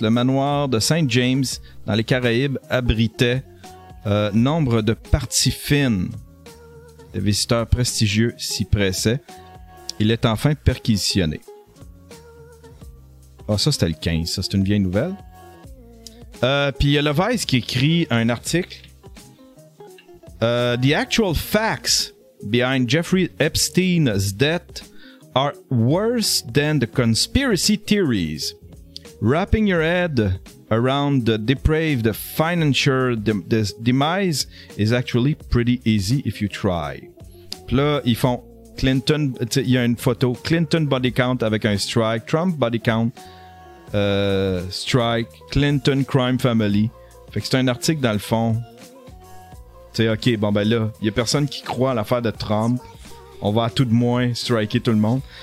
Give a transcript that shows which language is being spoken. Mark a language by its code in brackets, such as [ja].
[fr] Le manoir de Saint-James dans les Caraïbes abritait nombre de parties fines. Des visiteurs prestigieux s'y pressaient. Il est enfin perquisitionné. Ah, ça c'était le 15, ça c'est une vieille nouvelle. Puis il y a Le Vice qui écrit un article. [en] The actual facts behind Jeffrey Epstein's death are worse than the conspiracy theories. Wrapping your head around the depraved financier demise is actually pretty easy if you try. [fr] Puis là, ils font Clinton, il y a une photo, Clinton body count avec un strike, Trump body count, strike, [en] Clinton crime family. [fr] Fait que c'est un article dans le fond tu sais, OK, bon, ben là, il y a personne qui croit à l'affaire de Trump. On va à tout de moins striker tout le monde.